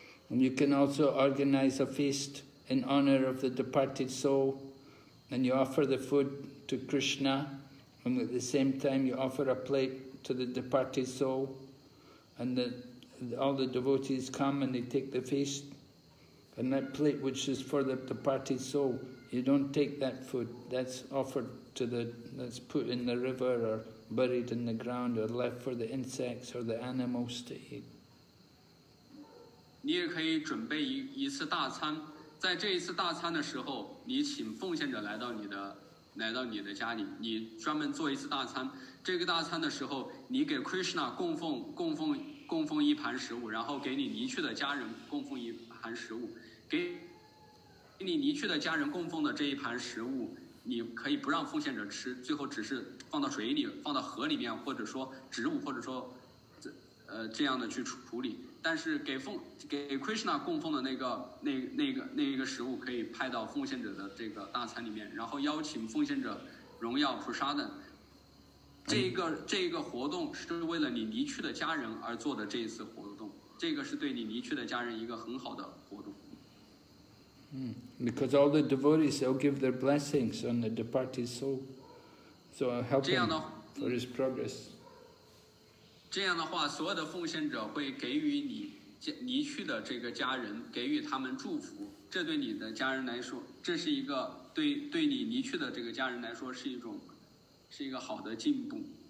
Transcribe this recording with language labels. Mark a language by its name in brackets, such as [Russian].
[English] And you can also organize a feast in honor of the departed soul, and you offer the food to Krishna, and at the same time you offer a plate to the departed soul, and all the devotees come and they take the feast, and that plate which is for the departed soul, you don't take that food, that's offered to the, that's put in the river or buried in the ground or left for the insects or the animals to eat. [Chinese] 你也可以准备 一次大餐，在这一次大餐的时候，你请奉献者来到你的家里，你专门做一次大餐。这个大餐的时候，你给 Krishna 供奉一盘食物，然后给你离去的家人供奉一盘食物，给你离去的家人供奉的这一盘食物，你可以不让奉献者吃，最后只是放到水里，放到河里面，或者说植物，或者说这样的去处理。但是给 Krishna 供奉的那个食物可以派到奉献者的这个大餐里面，然后邀请奉献者荣耀 Prasadam。这个活动是为了你离去的家人而做的这一次活动，这个是对你离去的家人一个很好的活动。 [English] Because all the devotees will give their blessings on the departed soul, so help him for his progress. [Chinese] 这样的话，所有的奉献者会给予你离去的这个家人给予他们祝福，这对你的家人来说，这是一个对你离去的这个家人来说是一种是一个好的进步。